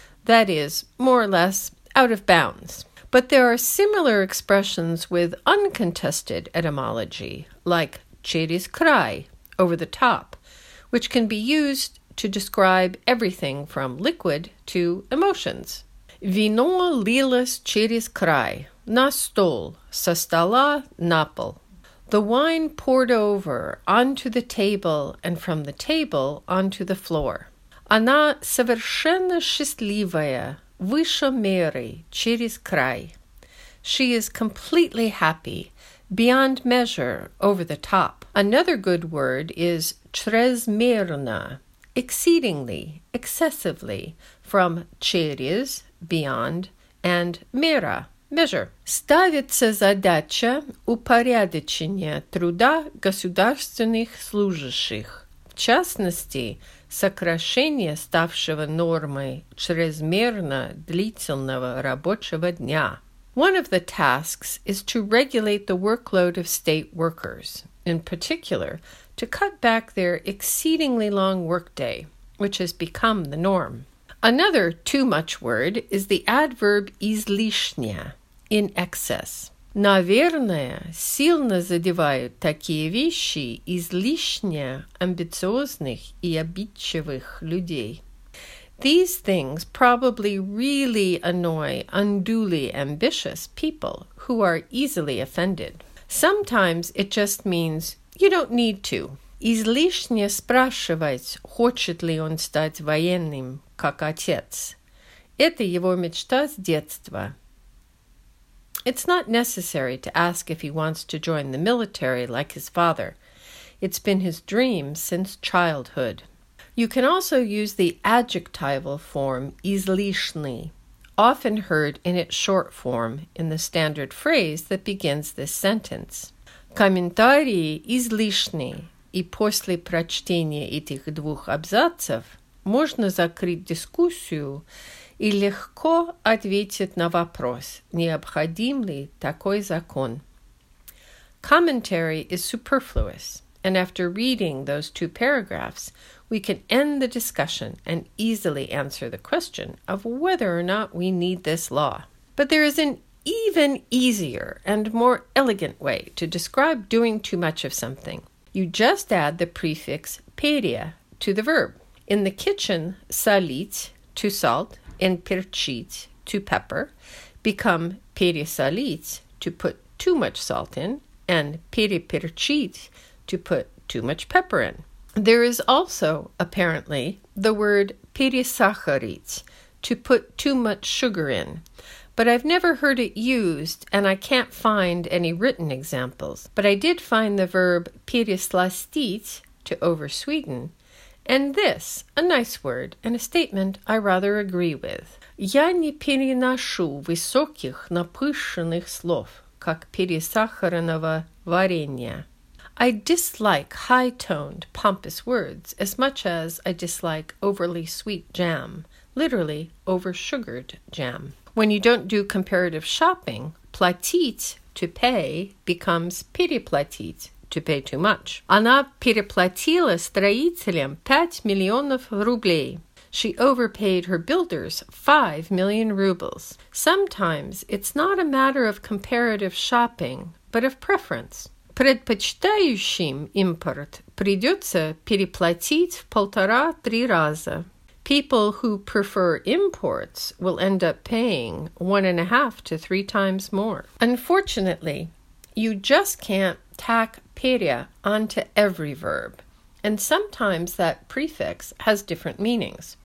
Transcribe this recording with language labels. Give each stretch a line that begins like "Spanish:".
English: That is, more or less, out of bounds. But there are similar expressions with uncontested etymology, like
Russian: через край,
English: over the top, which can be used to describe everything from liquid to emotions.
Russian: Вино лилось через край, на стол, со стола на пол.
English: The wine poured over onto the table and from the table onto the floor.
Russian: Она совершенно счастливая, выше меры, через край.
English: She is completely happy, beyond measure, over the top. Another good word is чрезмерно, exceedingly, excessively, from через, beyond, and мера, measure.
Russian: Ставится задача упорядочения труда государственных служащих, в частности, сокращение ставшего нормой чрезмерно длительного рабочего дня.
English: One of the tasks is to regulate the workload of state workers, in particular, to cut back their exceedingly long workday, which has become the norm. Another too much word is the adverb излишнее, in excess.
Russian: Наверное, сильно задевают такие вещи излишне амбициозных и обидчивых людей.
English: These things probably really annoy unduly ambitious people who are easily offended. Sometimes it just means you don't need to.
Russian: излишне спрашивать, хочет ли он стать военным, как отец. Это его мечта с детства.
English: It's not necessary to ask if he wants to join the military like his father. It's been his dream since childhood. You can also use the adjectival form излишне, often heard in its short form in the standard phrase that begins this sentence.
Russian: Комментарии излишне. И после прочтения этих двух абзацев можно закрыть дискуссию и легко ответить на вопрос, необходим ли такой закон.
English: Commentary is superfluous, and after reading those two paragraphs, we can end the discussion and easily answer the question of whether or not we need this law. But there is an even easier and more elegant way to describe doing too much of something. You just add the prefix peria to the verb. In the kitchen, salить to salt and перчить to pepper become пересолить to put too much salt in and переперчить to put too much pepper in. There is also, apparently, the word пересахарить to put too much sugar in. But I've never heard it used, and I can't find any written examples. But I did find the verb пересластить, to oversweeten, and this, a nice word, and a statement I rather agree with.
Russian: Я не переношу высоких напыщенных слов, как пересахаренного варенья.
English: I dislike high-toned, pompous words as much as I dislike overly sweet jam, literally, over-sugared jam. When you don't do comparative shopping, платить to pay becomes переплатить to pay too much.
Russian: Она переплатила строителям 5 миллионов рублей.
English: She overpaid her builders 5 million rubles. Sometimes it's not a matter of comparative shopping, but of preference.
Russian: Предпочитающим импорт придется переплатить в 1.5-3 раза.
English: People who prefer imports will end up paying 1.5 to 3 times more. Unfortunately, you just can't tack peria onto every verb, and sometimes that prefix has different meanings.